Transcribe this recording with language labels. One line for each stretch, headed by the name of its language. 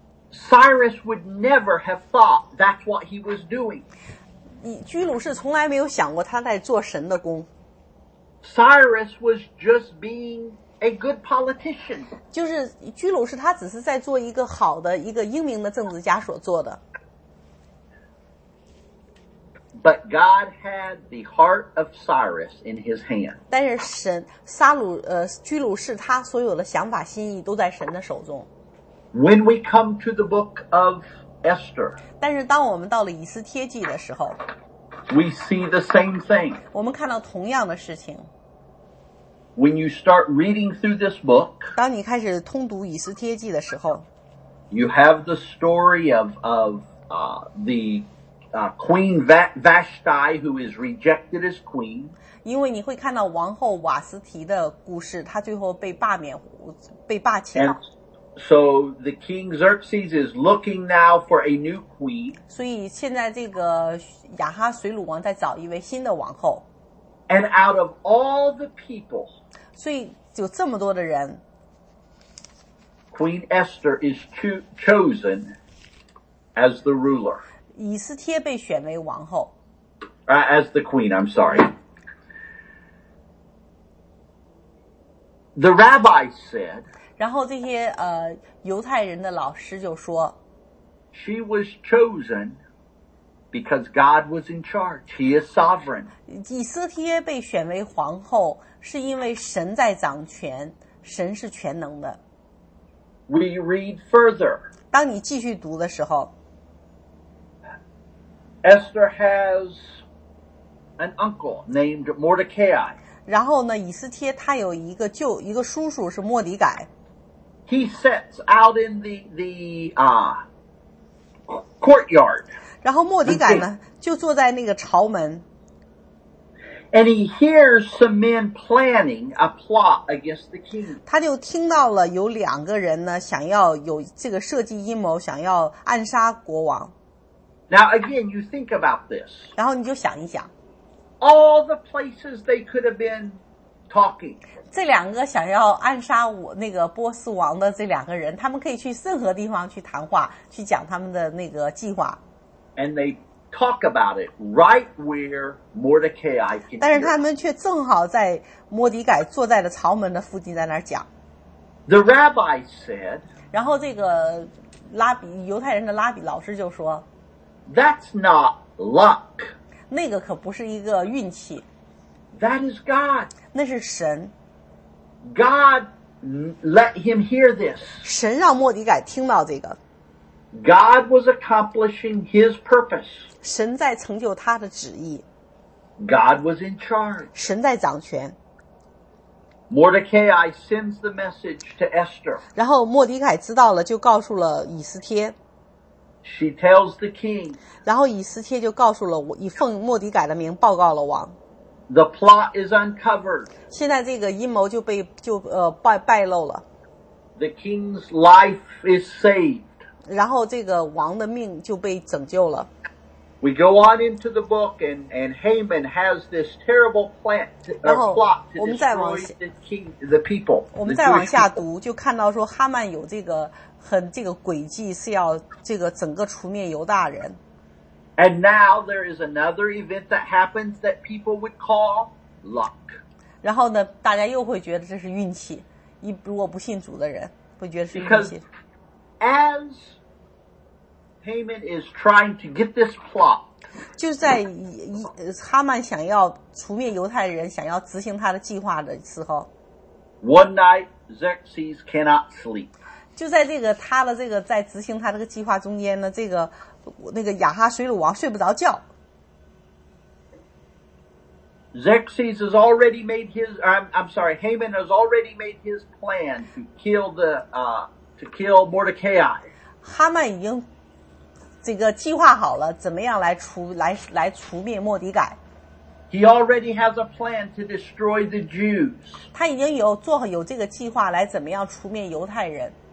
English: Cyrus would never have thought that's what he was doing.
Chinese: 居鲁士从来没有想过他在做神的工。
English: Cyrus was just being a good politician.
Chinese: 就是居鲁士他只是在做一个好的一个英明的政治家所做的。
English: But God had the heart of Cyrus in his hand.
Chinese: 但是神居鲁士他所有的想法心意都在神的手中。
English: When we come to the book of Esther.
Chinese: 但是当我们到了以斯帖记的时候。
English: We see the same thing.
Chinese: 我们看到同样的事情。
English: When you start reading through this book,
Chinese: 当你开始通读以斯帖记的时候
English: you have the story of the Queen Vashti who is rejected as queen.
Chinese: 因为你会看到王后瓦斯提的故事她最后被罢免了。
English: So the king Xerxes is looking now for a new queen.
Chinese: 所以现在这个亚哈随鲁王在找一位新的王后。
English: And out of all the people.
Chinese: 所以有这么多的人。
English: Queen Esther is chosen as the ruler.
Chinese: 以斯帖被选为王后。
English: As the queen, I'm sorry. The rabbi said,
Chinese: 然后这些犹太人的老师就说
English: She was chosen because God was in charge. He is sovereign.
Chinese: 以斯帖被选为皇后是因为神在掌权神是全能的。
English: we read further.
Chinese: 当你继续读的时候，
English: Esther has an uncle named Mordecai.
Chinese: 然后呢，以斯帖他有一个舅，一个叔叔是莫迪改。
English: He sets out in the courtyard.
Chinese: 然后莫迪改呢，就坐在那个朝门。
English: And he hears some men planning a plot against the king.
Chinese: 他就听到了有两个人呢，想要有这个设计阴谋，想要暗杀国王。
English: Now again, you think about this.
Chinese: 然后你就想一想。
English: All the places they could have been talking.
Chinese: 这两个想要暗杀我那个波斯王的这两个人，他们可以去任何地方去谈话，去讲他们的那个计划。
English: And they talk about it right where Mordecai can hear.
Chinese: 但是他们却正好在摩迪改坐在了朝门的附近，在那儿讲。
English: The rabbi said.
Chinese: 然后这个拉比，犹太人的拉比老师就说
English: ，That's not luck.
Chinese: 那个可不是一个运气。
English: That is God.
Chinese: 那是神。
English: God let him hear this.
Chinese: 神让摩迪改听到这个。
English: God was accomplishing his purpose.
Chinese: 神在成就他的旨意。
English: God was in charge.
Chinese: 神在掌权。
English: Mordecai sends the message to Esther.
Chinese: 然后莫迪凯知道了，就告诉了以斯帖。
English: She tells the king.
Chinese: 然后以斯帖就告诉了我，以奉莫迪凯的名报告了王。
English: The plot is uncovered.
Chinese: 现在这个阴谋就被就败露了。
English: The king's life is saved.
Chinese: 然后这个王的命就被拯救了。
English: We go on into the book and Haman has this terrible plot to destroy the king, the people.
Chinese: 我们再往下读，就看到说哈曼有这个很这个诡计，是要这个整个除灭犹大人。
English: And now there is another event that happens that people would call luck.
Chinese: 然后呢，大家又会觉得这是运气。如果不信主的人会觉得是运气。
English: As Haman is trying to get this plot,
Chinese: 就在哈曼想要除灭犹太人，想要执行他的计划的时候
English: ，One night Xerxes cannot sleep.
Chinese: 就在这个他的这个在执行他这个计划中间呢，这个那个亚哈水鲁王睡不着觉。
English: Xerxes has already made his. I'm sorry, Haman has already made his plan to kill the. To kill Mordecai.
Chinese: 哈曼已经这个计划好了，怎么样来除灭莫迪改。
English: He already has a plan to destroy the Jews.
Chinese: 他已经有做好有这个计划来怎么样除灭犹太人。